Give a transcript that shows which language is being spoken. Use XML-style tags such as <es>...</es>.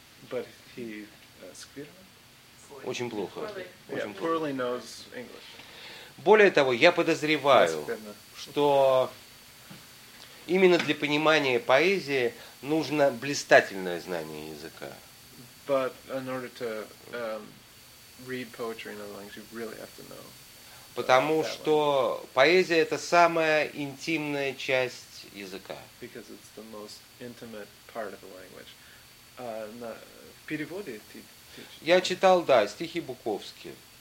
<en>But he,</en> <ru>скверно? Очень плохо.</ru> <en>Poorly.</en> <ru>Очень</ru> <en>yeah, poorly knows English.</en> <ru>Более того, я подозреваю, что именно для понимания поэзии нужно блистательное знание языка.</ru> <en>But in order to read poetry in other languages, you really have to know.</en> <ru>Потому что поэзия – это самая интимная часть языка.</ru> <en>Because it's the most intimate part of the language.</en> <ru>На переводе ты читал? Я читал, да, стихи Буковски.</ru>